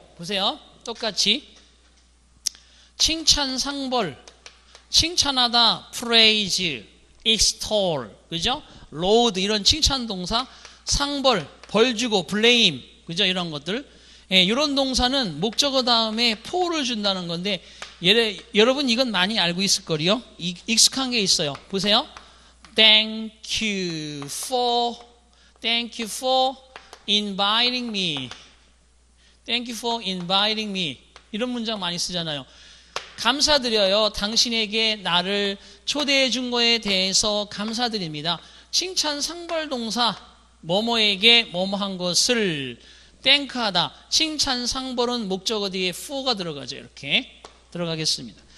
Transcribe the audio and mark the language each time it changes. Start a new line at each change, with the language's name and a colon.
Korean: 보세요. 똑같이 칭찬, 상벌, 칭찬하다, praise, extol, 그죠? laud 이런 칭찬 동사, 상벌, 벌주고, blame, 그죠? 이런 것들. 예, 이런 동사는 목적어 다음에 for를 준다는 건데 얘네, 여러분 이건 많이 알고 있을 거리요. 익숙한 게 있어요. 보세요.
English: Thank you for, thank you for inviting me. Thank you for inviting me.
Korean: 이런 문장 많이 쓰잖아요. 감사드려요. 당신에게 나를 초대해 준 거에 대해서 감사드립니다. 칭찬 상벌 동사 뭐뭐에게 뭐뭐 한 것을 땡크하다. 칭찬 상벌은 목적어 뒤에 for가 들어가죠. 이렇게 들어가겠습니다.